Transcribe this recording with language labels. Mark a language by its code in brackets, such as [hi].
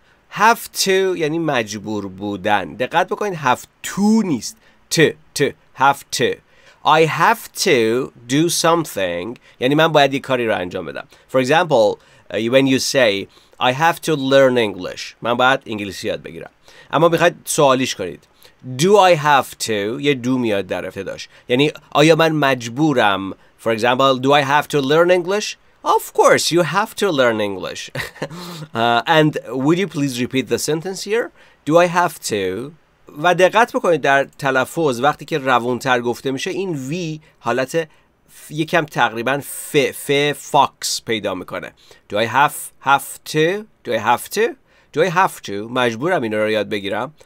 [fa] Have to یعنی مجبور بودن. دقت بکنید have to نیست. [en] To have to. I have to do something [fa] یعنی من باید یک کاری را انجام بدم. [en] For example, when you say I have to learn English، [fa] من باید انگلیسی یاد بگیرم. اما میخواید سوالیش کنید. [en] Do I have to [fa] یه do میاد در افتداش. یعنی آیا من مجبورم؟ [en] For example, do I have to learn English؟ Of course, you have to learn English. And would you please repeat the sentence here? Do I have to? [fa] و دقت بکنید در تلفظ وقتی که روان‌تر گفته میشه این وی حالت یکم تقریبا ف فاکس پیدا میکنه. [en] Do I have to? Do I have to? Do I have to? [fa] مجبورم اینو رو یاد بگیرم.